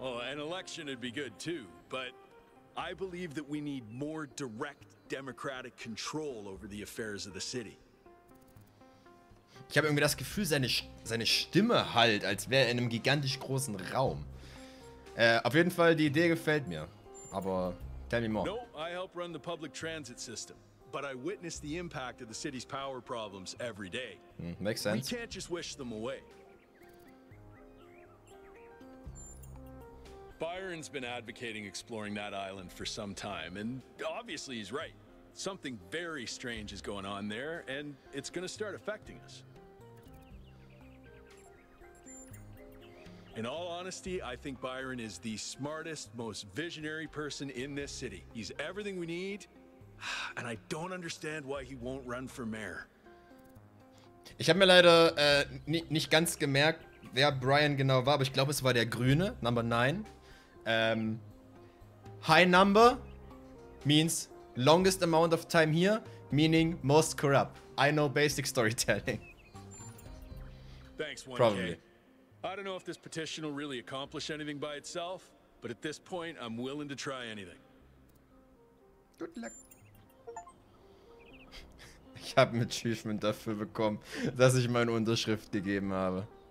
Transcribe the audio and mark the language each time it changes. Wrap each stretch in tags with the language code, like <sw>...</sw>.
<en>An election would be good too, but I believe that we need more direct democratic control over the affairs of the city.</en> <de>Ich habe irgendwie das Gefühl, seine Stimme hallt, als wäre er in einem gigantisch großen Raum. Auf jeden Fall, die Idee gefällt mir. Aber</de> <en>tell me more. No, I help run the public transit system, but I witness the impact of the city's power problems every day. Makes sense. We can't just wish them away. Byron's been advocating exploring that island for some time, and obviously he's right. Something very strange is going on there, and it's going to start affecting us. In all honesty, I think Byron is the smartest, most visionary person in this city. He's everything we need, and I don't understand why he won't run for mayor.</en> <de>Ich habe mir leider nicht ganz gemerkt, wer Brian genau war, aber ich glaube, es war der Grüne, Number 9.</de> <en>High number means longest amount of time here, meaning most corrupt. I know basic storytelling. Thanks, 1K. Probably. I don't know if this petition will really accomplish anything by itself, but at this point, I'm willing to try anything. Good luck.</en> <de>Ich habe ein Achievement dafür bekommen, dass ich meine Unterschrift gegeben habe.</de>